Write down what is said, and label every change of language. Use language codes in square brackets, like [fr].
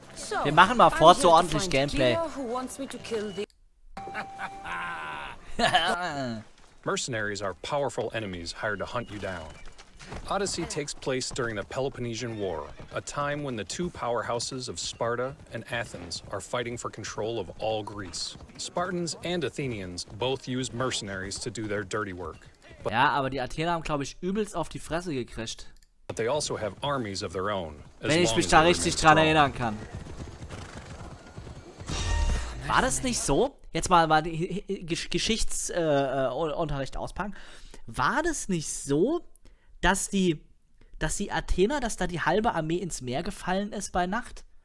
[de] So, wir machen mal fort so ordentlich Gameplay. [en] Mercenaries are powerful enemies hired to hunt you down. Odyssey takes place during the Peloponnesian War, a time when the two powerhouses of Sparta and Athens are fighting for control of all Greece. Spartans and Athenians both use mercenaries to do their dirty work. [de] Ja, aber die Athener haben, glaube ich, übelst auf die Fresse gekriegt. [en] But they also have armies of their own, [de] wenn ich mich da richtig dran erinnern kann. War das nicht so? Jetzt mal Geschichtsunterricht auspacken. War das nicht so, dass die Athener, dass da die halbe Armee ins Meer gefallen ist bei Nacht?